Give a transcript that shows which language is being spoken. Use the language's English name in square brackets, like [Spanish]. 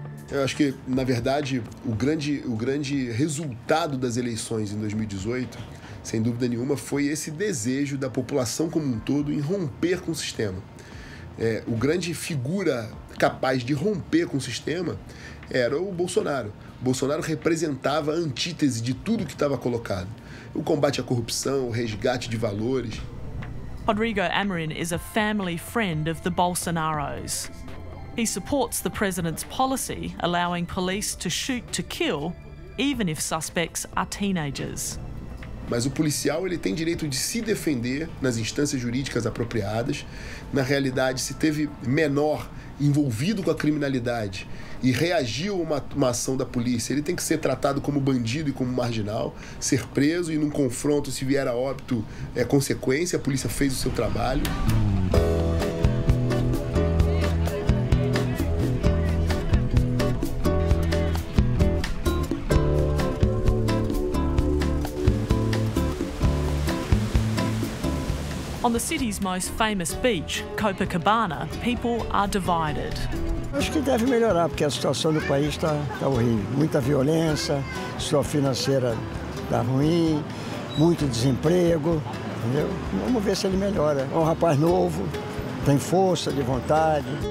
[Portuguese] Eu acho que, na verdade, o grande resultado das eleições em 2018, sem dúvida nenhuma, foi esse desejo da população como um todo em romper com o sistema. O grande figura capaz de romper com o sistema era o Bolsonaro. O Bolsonaro representava a antítese de tudo que estava colocado. O combate à corrupção, o resgate de valores. [English] Rodrigo Amorim is a family friend of the Bolsonaros. He supports the president's policy allowing police to shoot to kill, even if suspects are teenagers. [Portuguese] Mas o policial, ele tem direito de se defender nas instâncias jurídicas apropriadas. Na realidade, se teve menor envolvido com a criminalidade e reagiu a uma ação da polícia, ele tem que ser tratado como bandido e como marginal, ser preso e, num confronto, se vier a óbito, é consequência, a polícia fez o seu trabalho. [English] On the city's most famous beach, Copacabana, people are divided. [Portuguese] Acho que deve melhorar porque a situação do país está horrível. Muita violência, sua financeira está ruim, muito desemprego. Entendeu? Vamos ver se ele melhora. É um rapaz novo, tem força de vontade.